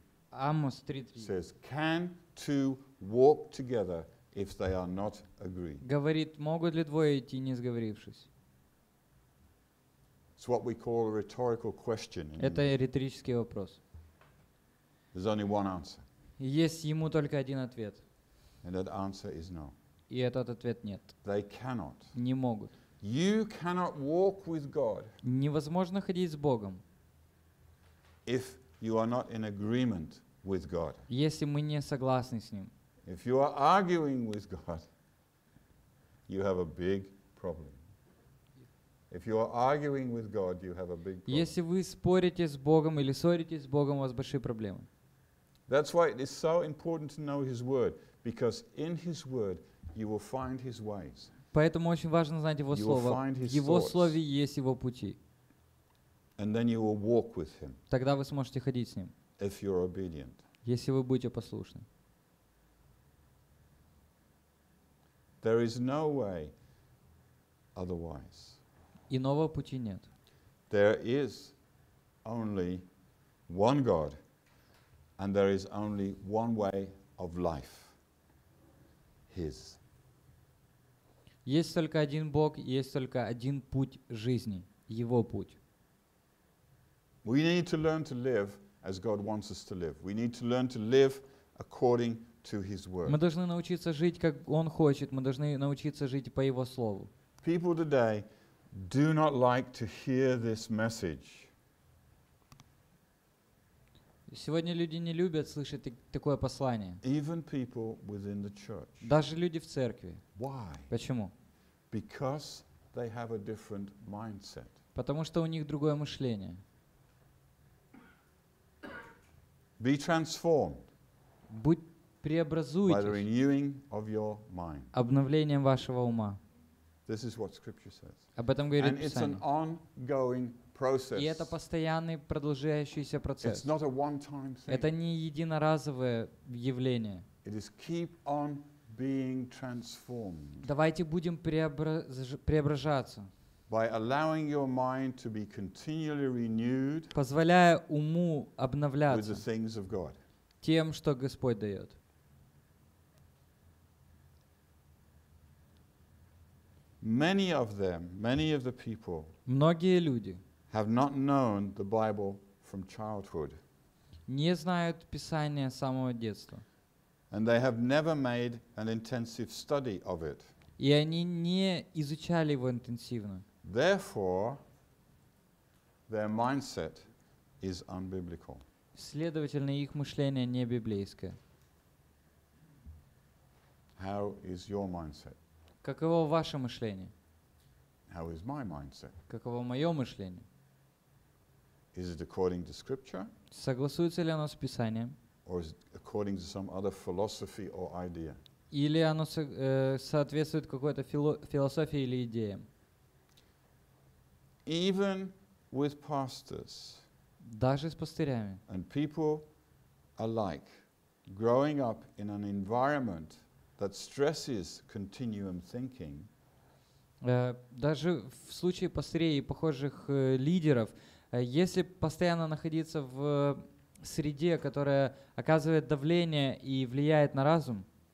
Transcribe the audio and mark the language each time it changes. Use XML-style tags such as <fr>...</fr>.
<en>Amos 3:3 says, "Can two walk together if they are not agreed?"</en> <ru>Говорит, могут ли двое идти, не сговорившись?</ru> <en>It's what we call a rhetorical question.</en> <ru>Это риторический вопрос.</ru> <en>There's only one answer.</en> <ru>Есть ему только один ответ.</ru> <en>And that answer is no.</en> <ru>И этот ответ нет.</ru> <en>They cannot.</en> <ru>Не могут.</ru> <en>You cannot walk with God.</en> <ru>Невозможно ходить с Богом.</ru> <en>If you are not in agreement with God.</en> <ru>Если мы не согласны с ним.</ru> <en>If you are arguing with God, you have a big problem. If you are arguing with God, you have a big problem.</en> <ru>Если вы спорите с Богом или ссоритесь с Богом, у вас большие проблемы.</ru> <en>That's why it is so important to know His Word, because in His Word you will find His ways.</en> <ru>Поэтому очень важно знать Его Слово.</ru> <en>You will find His thoughts.</en> <ru>Его Слове есть Его пути.</ru> <en>And then you will walk with Him.</en> <ru>Тогда вы сможете ходить с Ним.</ru> <en>If you're obedient.</en> <ru>Если вы будете послушны.</ru> <en>There is no way otherwise.</en> <ru>Иного пути нет.</ru> <en>There is only one God, and there is only one way of life. His.</en> <ru>Есть только один Бог, есть только один путь жизни, Его путь.</ru> <en>We need to learn to live as God wants us to live. We need to learn to live according to His word.</en> <ru>Мы должны научиться жить, как Он хочет. Мы должны научиться жить по Его слову.</ru> <en>People today do not like to hear this message.</en> <ru>Сегодня люди не любят слышать такое послание.</ru> <en>Even people within the church.</en> <ru>Даже люди в церкви.</ru> <en>Why?</en> <ru>Почему?</ru> <en>Because they have a different mindset.</en> <ru>Потому что у них другое мышление.</ru> <en>Be transformed.</en> <ru>Будь преобразуйтесь.</ru> <en>By the renewing of your mind.</en> <ru>Обновлением вашего ума.</ru> <en>This is what Scripture says.</en> <ru>Об этом говорит Писание.</ru> <en>And it's an ongoing process.</en> <ru>И это постоянный продолжающийся процесс.</ru> <en>It's not a one-time thing.</en> <ru>Это не единоразовое явление.</ru> <en>It is keep on being transformed.</en> <ru>Давайте будем преображаться.</ru> <en>By allowing your mind to be continually renewed.</en> <ru>Позволяя уму обновляться.</ru> <en>With the things of God.</en> <ru>Тем, что Господь дает.</ru> <en>Many of them, many of the people,</en> <ru>многие люди,</ru> <en>have not known the Bible from childhood.</en> <ru>Не знают Писание с самого детства.</ru> <en>And they have never made an intensive study of it.</en> <ru>И они не изучали его интенсивно.</ru> <en>Therefore, their mindset is unbiblical.</en> <ru>Следовательно, их мышление не библейское.</ru> <en>How is your mindset?</en> <ru>Каково ваше мышление?</ru> <en>How is my mindset?</en> <ru>Каково мое мышление?</ru> <en>Is it according to Scripture?</en> <ru>Согласуется ли оно с Писанием?</ru> <en>Or is it according to some other philosophy or idea?</en> <ru>Или оно соответствует какой-то философии или идеям?</ru> <en>Even with pastors.</en> <ru>Даже с пастырями.</ru> <en>And people alike, growing up in an environment that stresses continuum thinking.</en> <ru>Даже в случае пастырей и похожих лидеров, если постоянно находиться в среде, которая оказывает давление и влияет на разум,</ru>